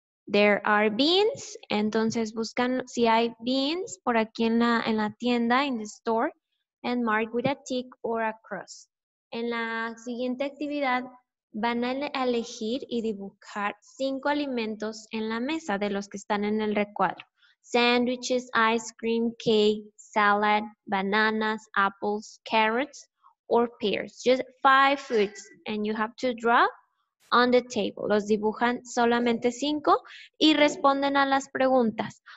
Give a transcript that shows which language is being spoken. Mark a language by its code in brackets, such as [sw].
[en] There are beans, [es] entonces buscan si hay beans por aquí en la tienda, [en] in the store, and mark with a tick or a cross. [es] En la siguiente actividad van a elegir y dibujar 5 alimentos en la mesa de los que están en el recuadro. [en] Sandwiches, ice cream, cake, salad, bananas, apples, carrots, or pears. Just 5 foods and you have to draw on the table. [es] Los dibujan solamente 5 y responden a las preguntas.